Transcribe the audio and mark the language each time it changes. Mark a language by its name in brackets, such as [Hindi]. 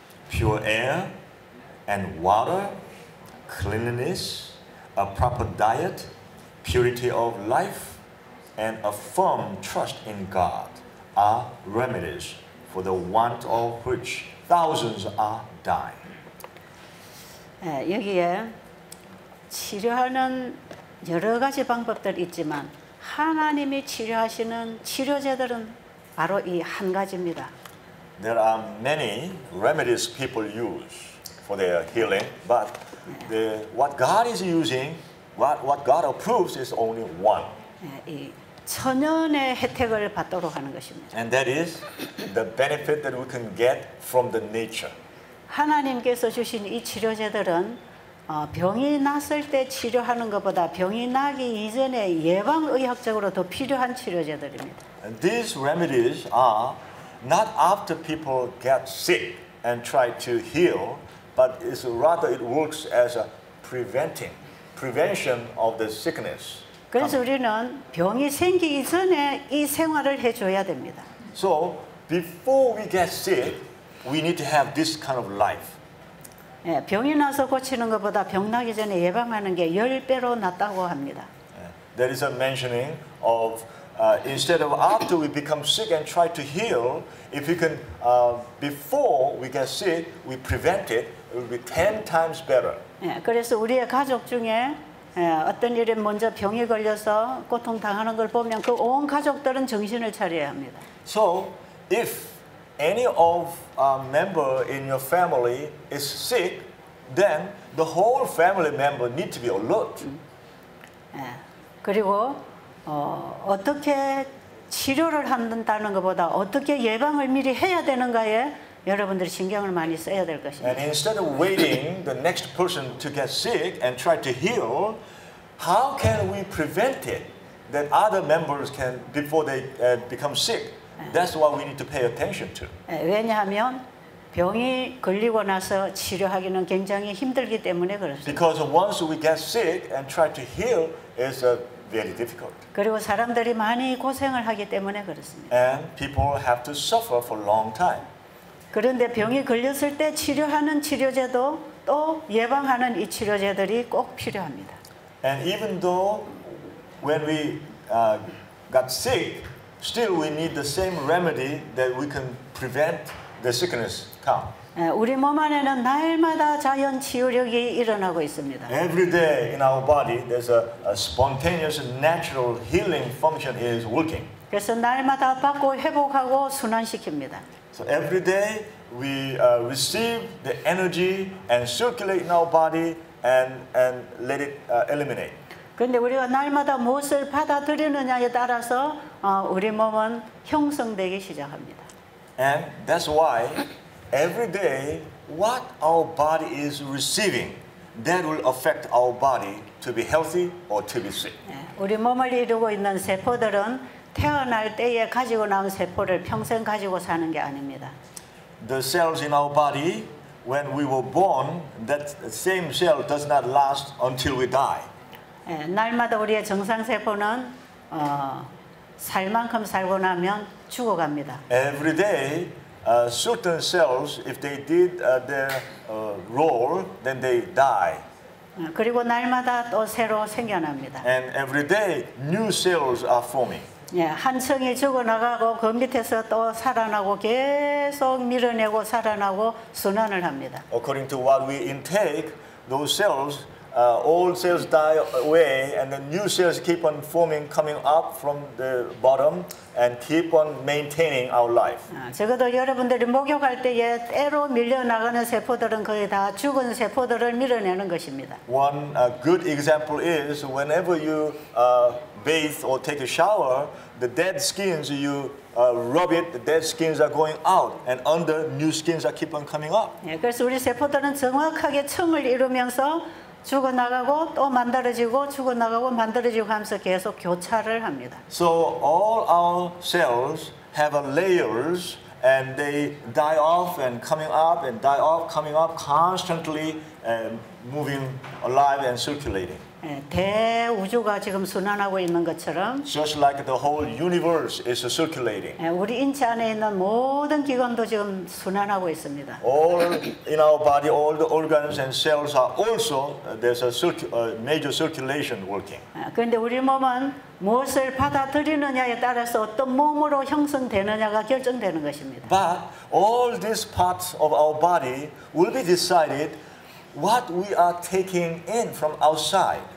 [English] Pure air and water, cleanliness, a proper diet, purity of life, and a firm trust in God are remedies for the want of which thousands are dying. [Korean] 여기에 치료하는 여러 가지 방법들 있지만 하나님이 치료하시는 치료제들은 바로 이 한 가지입니다. [English] There are many remedies people use for their healing, but what God is using, what God approves is only one. [Korean] 이 천연의 혜택을 받도록 하는 것입니다. [English] And that is the benefit that we can get from the nature. [Korean] 하나님께서 주신 이 치료제들은 병이 났을 때 치료하는 것보다 병이 나기 이전에 예방 의학적으로 더 필요한 치료제들입니다. [English] And these remedies are not after people get sick and try to heal, but is rather it works as a prevention of the sickness. [Korean] 그래서 우리는 병이 생기기 전에 이 생활을 해 줘야 됩니다. [English] So, before we get sick, we need to have this kind of life. [Korean] 예, 병이 나서 고치는 것보다 병 나기 전에 예방하는 게 10배로 낫다고 합니다. [English] There is a mentioning of instead of after we become sick and try to heal, if we can before we get sick, we prevent it, it will be 10 times better. [Korean] 예, 그래서 우리의 가족 중에 어떤 일에 먼저 병에 걸려서 고통 당하는 걸 보면 그 온 가족들은 정신을 차려야 합니다. [English] So, if any of a member in your family is sick, then the whole family member need to be alert. [Korean] 그리고 어떻게 치료를 한다는 것보다 어떻게 예방을 미리 해야 되는가에 여러분들이 신경을 많이 써야 될 것입니다. [English] And instead of waiting the next person to get sick and try to heal, how can we prevent it that other members can before they become sick? That's what we need to pay attention to. [Korean] 왜냐하면 병이 걸리고 나서 치료하기는 굉장히 힘들기 때문에 그렇습니다. [English] Because once we get sick and try to heal, it's very difficult. [Korean] 그리고 사람들이 많이 고생을 하기 때문에 그렇습니다. [English] And people have to suffer for a long time. [Korean] 그런데 병이 걸렸을 때 치료하는 치료제도 또 예방하는 이 치료제들이 꼭 필요합니다. [English] And even though when we got sick, still we need the same remedy that we can prevent the sickness come. [Korean] 우리 몸 안에는 날마다 자연 치유력이 일어나고 있습니다. [English] Every day in our body, there's a spontaneous natural healing function is working. [Korean] 그래서 날마다 받고 회복하고 순환시킵니다. [English] So every day we receive the energy and circulate in our body and let it eliminate. [Korean] 그런데 우리가 날마다 무엇을 받아들이느냐에 따라서 우리 몸은 형성되기 시작합니다. [English] And that's why every day what our body is receiving that will affect our body to be healthy or to be sick. [Korean] 우리 몸을 이루고 있는 세포들은 태어날 때에 가지고 나온 세포를 평생 가지고 사는 게 아닙니다. [English] The cells in our body, when we were born, that same cell does not last until we die. [Korean] 날마다 우리의 정상 세포는 살 만큼 살고 나면 죽어갑니다. [English] Every day, certain cells, if they did their role, then they die. [Korean] 그리고 날마다 또 새로 생겨납니다. [English] And every day, new cells are forming. [Korean] 예, 한 층이 죽어나가고 그 밑에서 또 살아나고 계속 밀어내고 살아나고 순환을 합니다. [English] According to what we intake, those cells, old cells die away and the new cells keep on forming, coming up from the bottom and keep on maintaining our life. [Korean] 적어도 여러분들이 목욕할 때에 때로 밀려나가는 세포들은 거의 다 죽은 세포들을 밀어내는 것입니다. [English] One good example is whenever you bathe or take a shower, the dead skins you rub it, the dead skins are going out, and under new skins are keep on coming up. [Korean] 예, 그래서 우리 세포들은 정확하게 층을 이루면서 죽어 나가고 또 만들어지고 죽어 나가고 만들어지고 하면서 계속 교차를 합니다. [English] So all our cells have layers, and they die off and coming up and die off, coming up constantly, moving alive and circulating. [Korean] 대우주가 지금 순환하고 있는 것처럼 [English] Just like the whole universe is circulating. [Korean] 우리 인체 안에 있는 모든 기관도 지금 순환하고 있습니다. [English] All in our body, all the organs and cells are also, there's a major circulation working. [Korean] 그런데 우리 몸은 무엇을 받아들이느냐에 따라서 어떤 몸으로 형성되느냐가 결정되는 것입니다. [English] But all these parts of our body will be decided what we are taking in from outside.